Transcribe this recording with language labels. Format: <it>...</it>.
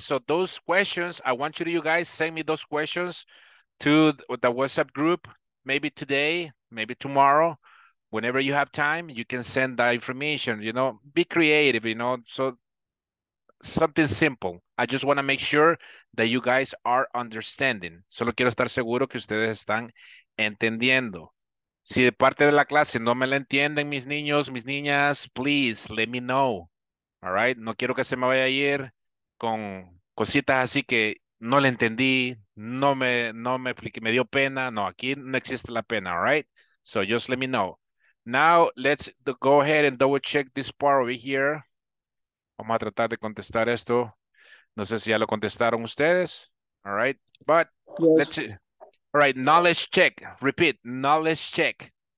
<en>So, those questions, I want you to, you guys, send me those questions to the WhatsApp group. Maybe today, maybe tomorrow. Whenever you have time, you can send that information. You know, be creative, you know. So, something simple. I just want to make sure that you guys are understanding.</en> <es>Solo quiero estar seguro que ustedes están entendiendo. Si de parte de la clase no me la entienden, mis niños, mis niñas,</es> <en>please let me know. All right.</en> <es>No quiero que se me vaya a ir con cositas así que no le entendí, no me expliqué, me dio pena. No, aquí no existe la pena.</es> <en>All right. So just let me know. Now let's go ahead and double check this part over here.</en> <es>Vamos a tratar de contestar esto. No sé si ya lo contestaron ustedes.</es> <en>All right. But yes. Let's. All right, knowledge check. Repeat, knowledge check.</en>